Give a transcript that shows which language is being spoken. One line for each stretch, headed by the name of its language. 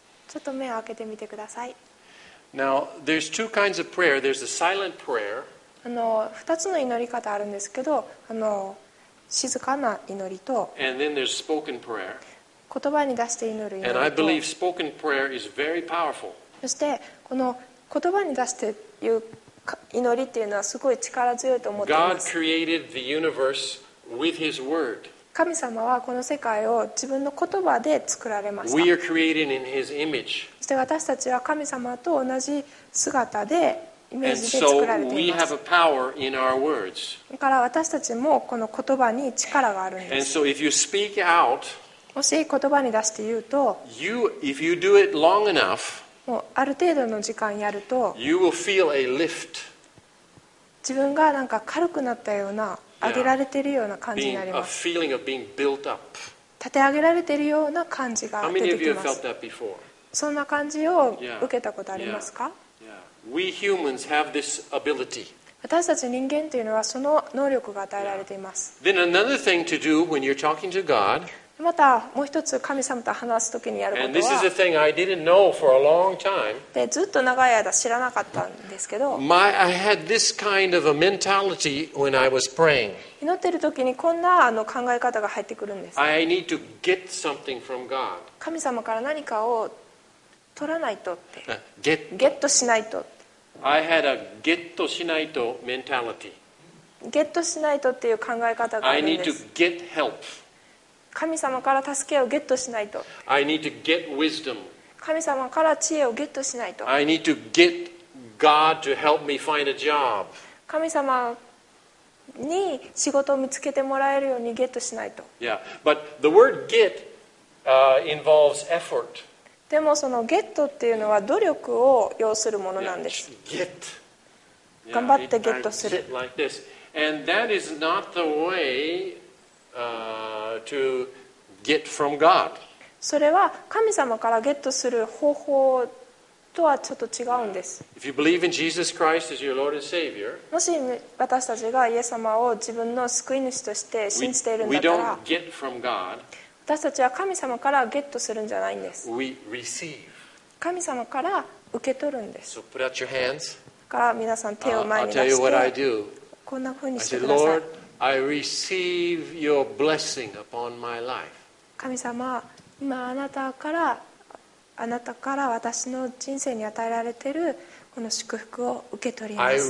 Japanese: ちょっと目を開けてみてください。
English: Now, there's two kinds of prayer. There's a silent prayer.
Japanese: 二つの祈り方あるんですけど、静かな祈りと、
English: And then there's spoken prayer.
Japanese: 言葉に出して祈る祈りと、
English: And I believe spoken prayer is very powerful.
Japanese: そして、この言葉に出して言う祈りっていうのはすごい力強いと思っています。
English: God created the universe with His word.
Japanese: 神様はこの世界を自分の言葉で作られました。
English: We are created in His image.
Japanese: そして私たちは神様と同じ姿でイメージで作られています。
English: And so we have a power in our words.
Japanese: だから私たちもこの言葉に力があるんです。
English: And so if you speak out,
Japanese: もし言葉に出して言うと、
English: you, if you do it long enough,
Japanese: もうある程度の時間やると、
English: you will feel a lift.
Japanese: 自分がなんか軽くなったような上げられているような感じになります。
English: A feeling of being built up.
Japanese: 立て上げられているような感じが出てきます。
English: How many of you have felt that before?
Japanese: そんな感じを受けたことありますか？
English: Yeah. Yeah. We humans have this ability.
Japanese: 私たち人間というのはその能力が与えられています。
English: Yeah. Then another thing to do when you're talking to God.
Japanese: またもう一つ神様と話すときにやることは。
English: And this is a thing I didn't know for a long time.
Japanese: でずっと長い間知らなかったんですけど。
English: My, I had this kind of a mentality when I was praying.
Japanese: 祈ってるときにこんなあの考え方が入ってくるんです。
English: I need to get something from God.
Japanese: 神様から何かを取らないとって。ゲットしないと。
English: I had a get
Japanese: しないと
English: mentality.
Japanese: ゲットしないとっていう考え方があるんです。
English: I need to get help.
Japanese: 神様から助けをゲットしないと。
English: I need to get wisdom.
Japanese: 神様から知恵をゲットしないと。
English: I need to get God to help me find a job.
Japanese: 神様に仕事を見つけてもらえるようにゲットしないと。
English: Yeah, but the word get, involves effort.
Japanese: でもそのゲットっていうのは努力を要するものなんです。
English: Yeah,
Japanese: 頑張ってゲットする。
English: Yeah, like、this. And that is not the way, to get from God.
Japanese: それは神様からゲットする方法とはちょっと違うんです。
English: If you believe in Jesus Christ as your Lord and Savior,
Japanese: もし私たちがイエス様を自分の救い主として信じているんだったら、
English: we don't get from God.
Japanese: 私たちは神様からゲットするんじゃないんです。
English: We receive.
Japanese: 神様から受け取るんです。
English: So put out your hands.
Japanese: だから皆さん手を前に出して。
English: I'll tell you what I do.
Japanese: こんな風にしてください。
English: Lord, I receive your blessing upon my life.
Japanese: 神様、今あなたから私の人生に与えられているこの祝福を受け取ります。